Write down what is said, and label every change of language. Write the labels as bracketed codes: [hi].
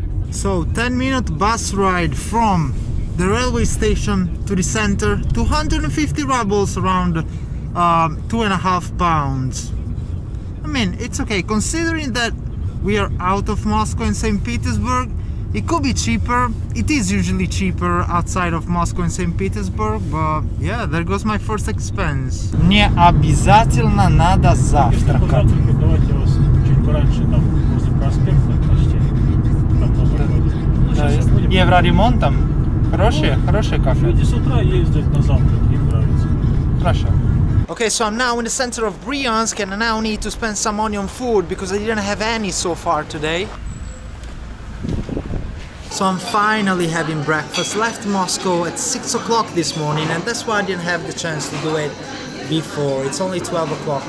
[en] So 10-minute bus ride from the railway station to the center, 250 rubles, around 2.5 pounds. I mean, it's okay, considering that we are out of Moscow and Saint Petersburg, it could be cheaper. It is usually cheaper outside of Moscow and Saint Petersburg, but yeah, there goes my first expense. [ru] Не обязательно надо завтракать. Давайте вас чуть раньше там возле проспекта почти. Евроремонт там. Хорошие кафе. Люди с утра ездят на завтрак, им нравится. Хорошо. [en] Okay, so I'm now in the center of Bryansk and I now need to spend some money on food because I didn't have any so far today. So I'm finally having breakfast. Left Moscow at 6 o'clock this morning and that's why I didn't have the chance to do it before. It's only 12 o'clock.